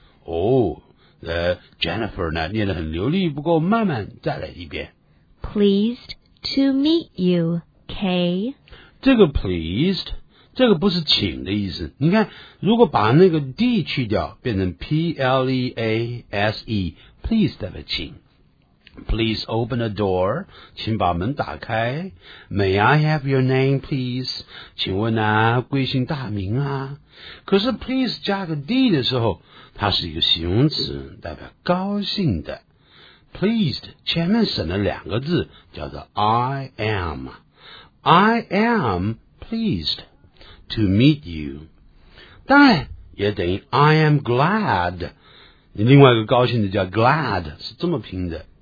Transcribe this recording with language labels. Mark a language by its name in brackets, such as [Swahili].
[Chinese] 哦，Jennifer 呢念得很流利，不过慢慢再来一遍。 [English] Pleased to meet you, K. [Chinese] 这个 pleased, 这个不是请的意思。你看，如果把那个 D 去掉，变成 P-L-E-A-S-E, please 代表请。 [English] Please open the door, [Chinese] 请把门打开。 [English] May I have your name, please? [Chinese] 请问啊，贵姓大名啊？可是 please 加个 D 的时候，它是一个形容词，代表高兴的。 Pleased, 前面省了两个字，叫做 [English] I am. I am pleased to meet you. [Chinese] 当然，也等于 [English] I am glad. [Chinese] 你另外一个高兴的叫 glad, 是这么拼的。